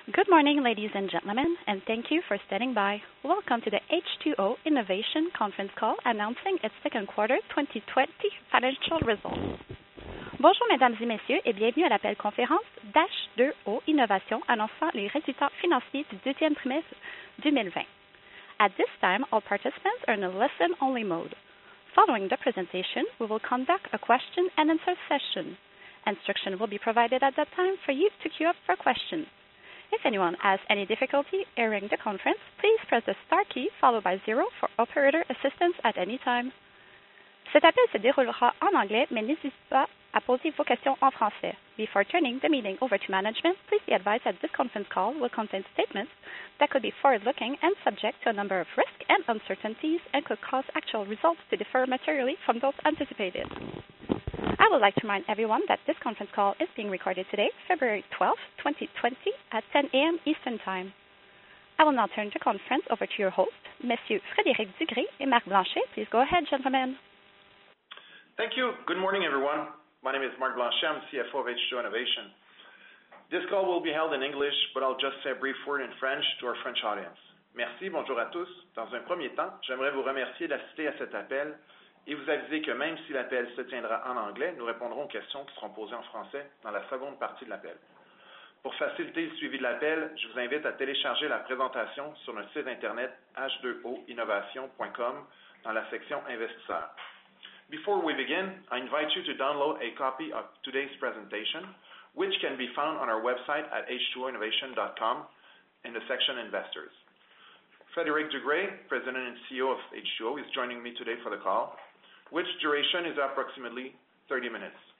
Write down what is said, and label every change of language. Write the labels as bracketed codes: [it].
[en] Good morning, ladies and gentlemen, and thank you for standing by. Welcome to the H2O Innovation conference call announcing its second quarter 2020 financial results. [fr] Bonjour, mesdames et messieurs, et bienvenue à l'appel conférence d'H2O Innovation annonçant les résultats financiers du deuxième trimestre 2020. [en] At this time, all participants are in a listen-only mode. Following the presentation, we will conduct a question-and-answer session. Instruction will be provided at that time for you to queue up for questions. If anyone has any difficulty hearing the conference, please press the star key followed by zero for operator assistance at any time. [fr] Cet appel se déroulera en anglais, mais n'hésitez pas à poser vos questions en français. [en] Before turning the meeting over to management, please be advised that this conference call will contain statements that could be forward-looking and subject to a number of risks and uncertainties and could cause actual results to differ materially from those anticipated. I would like to remind everyone that this conference call is being recorded today, February 12, 2020, at 10 a.m. Eastern Time. I will now turn the conference over to your host, Monsieur Frédéric Dugré et Marc Blanchet. Please go ahead, gentlemen. Thank you. Good morning, everyone. My name is Marc Blanchet. I'm CFO of H2O Innovation. This call will be held in English, but I'll just say a brief word in French to our French audience. [fr] Merci, bonjour à tous. Dans un premier temps, j'aimerais vous remercier d'assister à cet appel et vous aviser que même si l'appel se tiendra en anglais, nous répondrons aux questions qui seront posées en français dans la seconde partie de l'appel. Pour faciliter le suivi de l'appel, je vous invite à télécharger la présentation sur notre site internet h2oinnovation.com dans la section investisseurs. [en] Before we begin, I invite you to download a copy of today's presentation, which can be found on our website at h2oinnovation.com in the section investors. Frédéric Dugré, President and CEO of H2O, is joining me today for the call, which duration is approximately 30 minutes.